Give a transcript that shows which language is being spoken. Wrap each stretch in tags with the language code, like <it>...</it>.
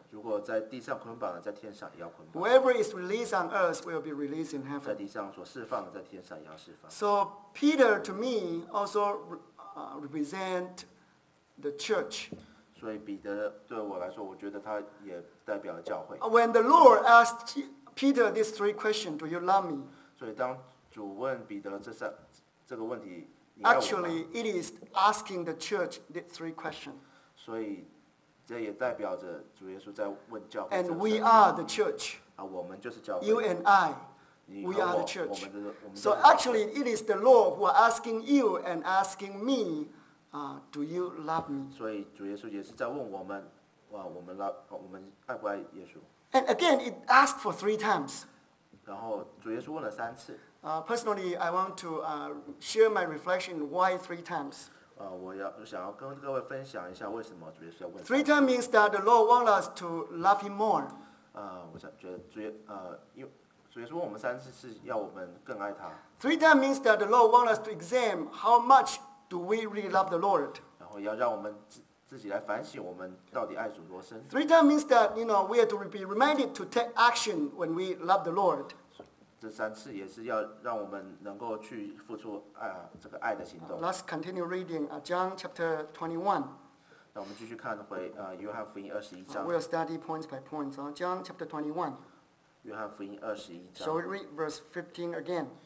<zh>如果在地上捆绑的，在天上也要捆绑。</zh> <en>Whoever is released on earth will be released in heaven.</en> <zh>在地上所释放的，在天上也要释放。</zh> <en>So Peter to me also represent the church.</en> <zh>所以彼得对我来说，我觉得他也代表了教会。</zh> <en>When the Lord asked Peter, these three questions, do you love me?</en> <zh>所以当主问彼得这个问题，你爱我吗？</zh> <en>Actually, it is asking the church these three questions.</en> <zh>所以这也代表着主耶稣在问教会。</zh> <en>And we are the church.</en> <zh>啊，我们就是教会。</zh> <en>You and I, we are the church.</en> <zh>我们</zh> <en>so actually, it is the Lord who are asking you and asking me, do you love me?</en> <zh>所以主耶稣也是在问我们，哇，我们love，我们爱不爱耶稣</zh> <en>？And again, it asked for three times.</en> <zh>然后主耶稣问了三次。</zh> <en>Personally, I want to share my reflection why three times.</en> <zh>我想要跟各位分享一下为什么主耶稣要问。</zh> <en>Three times means that the Lord wants us to love Him more.</en> <zh>我想觉得主耶稣问我们三次是要我们更爱他。</zh> <en>Three times means that the Lord wants us to examine how much do we really love the Lord.</en> <zh>然后要让我们自己来反省我们到底爱主多深。</zh> <en>Three times means that you know we are to be reminded to take action when we love the Lord.</en> <zh>这三次也是要让我们能够去付出这个爱的行动。</zh> <en>Let's continue reading John chapter 21.</en> <zh>那我们继续看回约翰福音二十一章。</zh> <en>We'll study points by points. John chapter 21.</en> <zh>约翰福音二十一章。</zh> <en>So we read verse 15 again.</en>